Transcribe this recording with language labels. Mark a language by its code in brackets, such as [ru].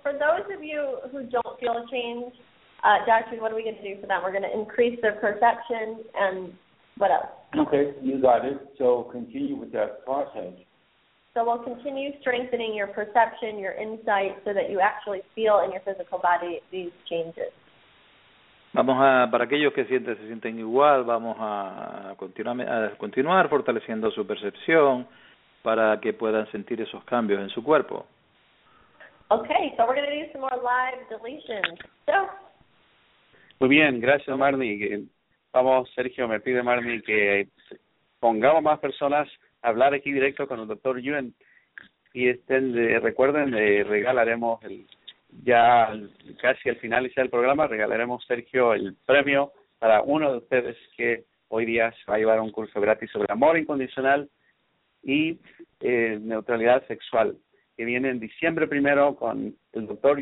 [en] For those of you who don't feel a change, Dr. Yun, what are we going to do for them? We're going to increase their perception and What else? Okay, you got it. So continue with that process. So we'll continue strengthening your perception, your insight, so that you actually feel in your physical body these changes. [es] Vamos a, para aquellos que se sienten igual, vamos a continuar fortaleciendo su percepción para que puedan sentir esos cambios en su cuerpo. [en] Okay, so we're going to do some more live deletions. So. [es] Muy bien, gracias Marnie. Vamos, Sergio, me pide Marnie que pongamos más personas a hablar aquí directo con el Dr. Yuen. Y recuerden, regalaremos casi al finalizar el programa, regalaremos Sergio el premio para uno de ustedes que hoy día se va a llevar un curso gratis sobre amor incondicional y neutralidad sexual, que viene en diciembre primero con el Dr.